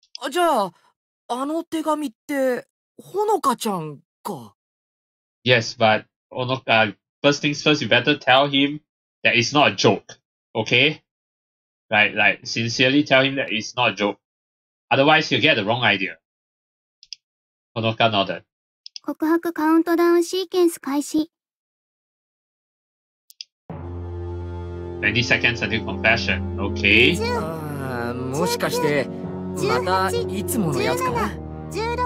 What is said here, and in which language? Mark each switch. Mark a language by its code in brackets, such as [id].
[ja] じゃあ、あの手紙って、ほのかちゃんか。 [en] Yes, but, Honoka, first things first, you better tell him that it's not a joke, okay? Right, like, sincerely tell him that it's not a joke. Otherwise, you'll get the wrong idea. Honoka nodded. [ja] 告白カウントダウンシーケンス開始。 [en] Many seconds until confession, okay? [ja] もしかして、またいつものやつかな。 16、15、